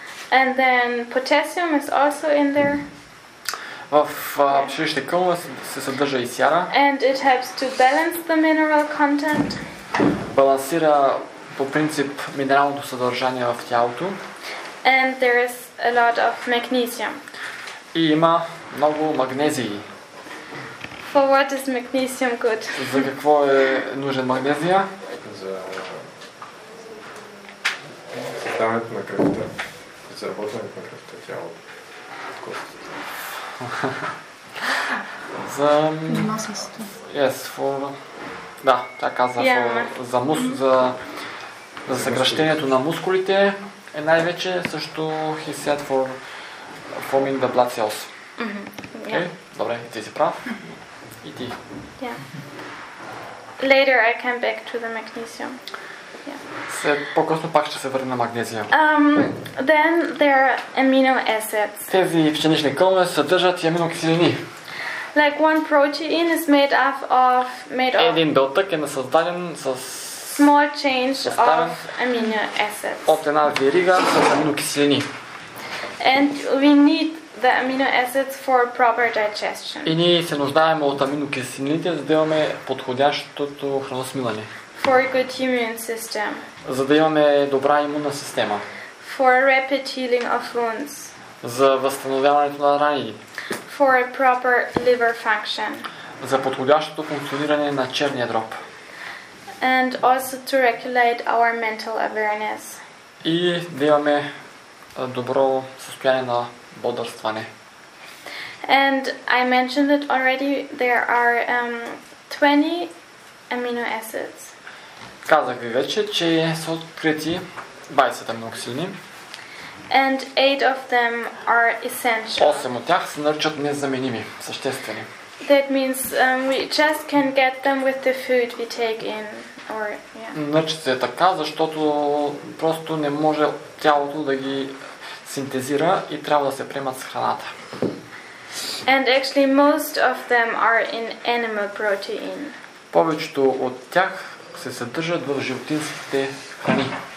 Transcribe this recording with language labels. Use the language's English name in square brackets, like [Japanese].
[English] And then potassium is also in there. [Bulgarian] В пшеничните кълнове се съдържа и сяра. [English] And it helps to balance the mineral content. [Bulgarian] Балансира по принцип минералното съдържание в тялото. [English] And there is a lot of magnesium. [Bulgarian] И има много магнезии. [English] For what is magnesium good? [Bulgarian] За какво е нужен магнезия? За съставянето на кръвта. За работането на кръвта, тялото. За [English] yes, for [Bulgarian] да, тя каза за мускул, за съкращението на мускулите е най-вече също [English] he said for forming the blood cells. Okay? Yeah. [Bulgarian] Добре, ти си прав. И ти. [English] Yeah. Later I came back to the magnesium. [Bulgarian] По-късно пак ще се върне на магнезия. [English] Then there are amino acids. [Bulgarian] Тези пшенични кълнове съдържат и аминокиселини. [English] Like one protein is made up of [Bulgarian] Един белтък е насъздаден с [English] small change of amino acids. [Bulgarian] От една верига с аминокиселини. [English] And we need the amino acids for proper digestion. [Bulgarian] И ние се нуждаем от аминокиселините, за да имаме подходящото храносмилане. [English] For a good immune system. [Bulgarian] За да имаме добра имунна система. [English] For a rapid healing of wounds. [Bulgarian] За възстановяването на рани. [English] For a proper liver function. [Bulgarian] За подходящото функциониране на черния дроб. [English] And also to regulate our mental awareness. [Bulgarian] И да имаме добро състояние на бодрстване. [English] And I mentioned it already, there are 20 amino acids. [Bulgarian] Казах ви вече, че са открити 20 аминокиселини. [English] And 8 of them are essential. [Bulgarian] 8 от тях се наричат незаменими, съществени. [English] That means we just can get them with the food we take in or [Bulgarian] Наричат се така, защото просто не може тялото да ги синтезира и трябва да се приемат с храната. [English] And actually most of them are in animal protein. [Bulgarian] Повечето от тях се съдържат в животинските храни.